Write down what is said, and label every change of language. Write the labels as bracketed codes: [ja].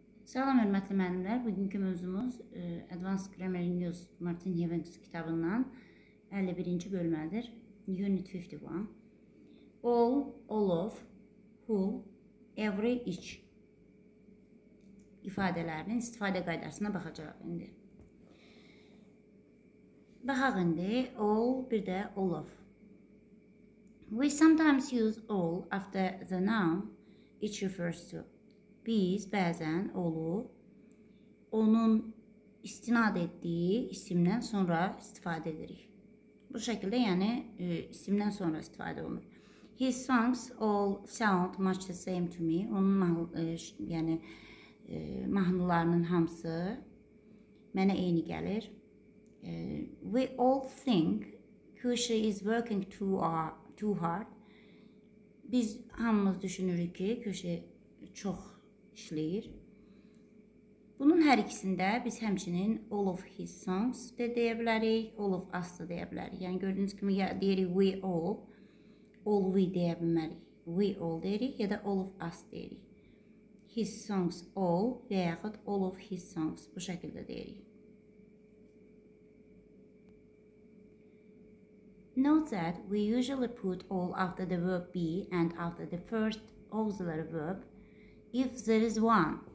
[az] Selam hürmetli müəllimlər, bugünkü mövzumuz Advanced Grammar in Use Martin Heavens kitabından 51-ci bölmədir. Unit 51. All, all of, who, every, each ifadələrinin istifadə qaydasına baxacaq indi. Baxaq indi, all, bir də all of. [en] We sometimes use all after the noun each refers to. [az] Biz bəzən olu onun istinad etdiyi isimdən sonra istifadə edirik. Bu şəkildə, yəni isimdən sonra istifadə olunur. [en] His songs all sound much the same to me. [az] Onun mahnılarının hamısı mənə eyni gəlir. [en] We all think Kusha is working too hard. [az] Biz hamımız düşünürük ki, Kusha çox işləyir. Bunun hər ikisində biz həmçinin [en] all of his songs [az] de deyə bilərik, [en] all of us [az] da deyə bilərik. Yəni gördüyünüz kimi ya deyirik [en] we all [az] we deyə bilmərik. [en] We all [az] deyirik ya da [en] all of us deyirik. His songs all [az] və yaxud [en] all of his songs [az] bu şəkildə deyirik. [en] Note that we usually put all after the verb be and after the first auxiliary verb if there is one.